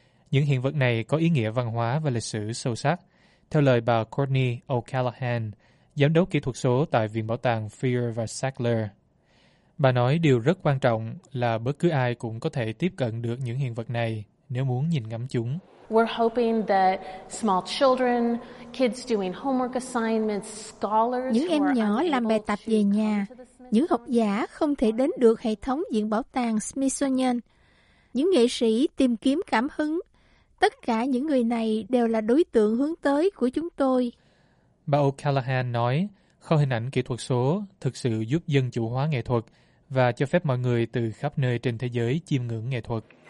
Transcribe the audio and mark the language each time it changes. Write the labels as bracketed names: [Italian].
[Vietnamese] Những hiện vật này có ý nghĩa văn hóa và lịch sử sâu sắc, theo lời bà Courtney O'Callaghan, giám đốc kỹ thuật số tại Viện Bảo tàng Freer và Sackler. Bà nói điều rất quan trọng là bất cứ ai cũng có thể tiếp cận được những hiện vật này nếu muốn nhìn ngắm chúng. [English] We're hoping that small children, kids doing homework assignments, scholars, [Vietnamese] những em nhỏ làm bài tập về nhà, những học giả không thể đến được hệ thống Viện Bảo tàng Smithsonian, những nghệ sĩ tìm kiếm cảm hứng, tất cả những người này đều là đối tượng hướng tới của chúng tôi. Bà O'Callaghan nói, kho hình ảnh kỹ thuật số thực sự giúp dân chủ hóa nghệ thuật và cho phép mọi người từ khắp nơi trên thế giới chiêm ngưỡng nghệ thuật.